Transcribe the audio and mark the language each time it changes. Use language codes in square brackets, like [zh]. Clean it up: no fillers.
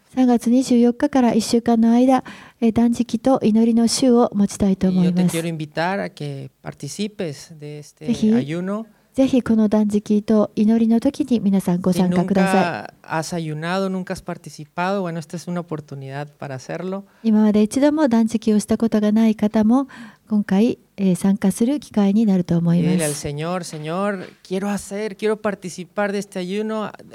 [ja] 3月24日から1週間の間、断食と祈りの週を持ちたいと思います。 [es] Yo te quiero invitar a que participes de este ayuno. [ja] ぜひこの断食と祈りの時に皆さんご参加ください。 [es] Has ayunado, nunca has participado. Bueno, esta es una oportunidad para hacerlo. [ja] 今まで一度も断食をしたことがない方も今回、参加する機会になると思います。 [es] Dile al Señor, Señor, quiero hacer, quiero participar de este ayuno.